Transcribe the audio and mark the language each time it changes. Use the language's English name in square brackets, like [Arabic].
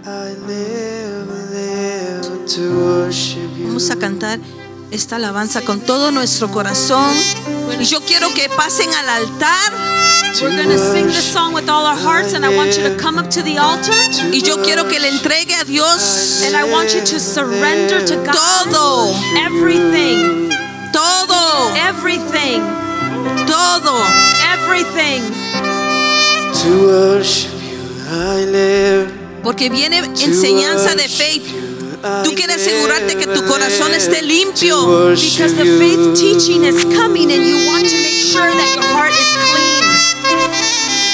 [Spanish] Vamos a cantar esta alabanza con todo nuestro corazón. Y yo quiero que pasen al altar. [English] We're going to sing this song with all our hearts, and I want you to come up to the altar. [Spanish] Y yo quiero que le entregue a Dios. [English] And I want you to surrender to God. [Spanish] Todo. [English] Everything. [Spanish] Todo. [English] Everything. [Spanish] Todo. [English] Everything. To worship you, I live. [Spanish] Porque viene enseñanza de fe. Tú quieres asegurarte que tu corazón esté limpio. [English] Because the faith teaching is coming and you want to make sure that your heart is clean.